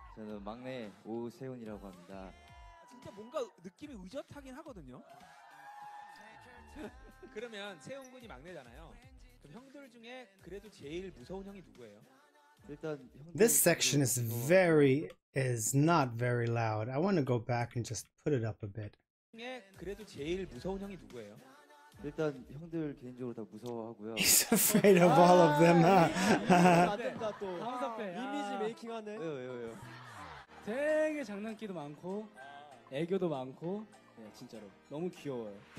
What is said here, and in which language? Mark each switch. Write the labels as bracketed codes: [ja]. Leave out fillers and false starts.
[ko] 저는 막내 오세훈이라고 합니다. 진짜 뭔가 느낌이 의젓하긴 하거든요. 그러면 세훈 군이 막내잖아요. 그럼 형들 중에 그래도 제일 무서운 형이 누구예요? 일단 [en] This section is very is not very loud. I want to go back and just put it up a bit. [ko] 형에 그래도 제일 무서운 형이 누구예요? 일단 형들 개인적으로 다 무서워하고요. [en] He's afraid of all of them. [ko] 맞는다 또. 강사패. 이미지 메이킹하는. 왜요? 되게 장난기도 많고 애교도 많고 네, 진짜로 너무 귀여워요.